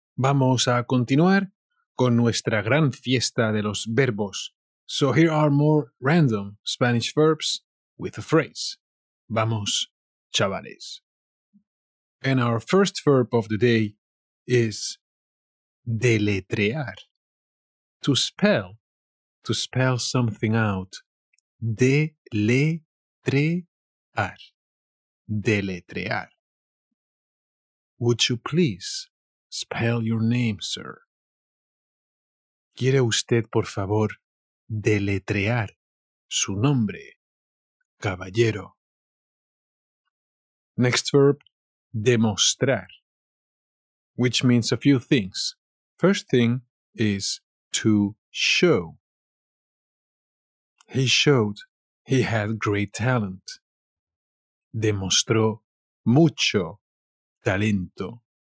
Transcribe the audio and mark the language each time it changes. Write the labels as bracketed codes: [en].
[es] Vamos a continuar con nuestra gran fiesta de los verbos. [en] So here are more random Spanish verbs with a phrase. [es] Vamos, chavales. [en] And our first verb of the day is deletrear. To spell something out. Deletrear. Deletrear. Would you please spell your name, sir? [es] ¿Quiere usted, por favor, deletrear su nombre, caballero? [en] Next verb, demostrar, which means a few things. First thing is to show. He showed he had great talent. [es] Demostró mucho talento.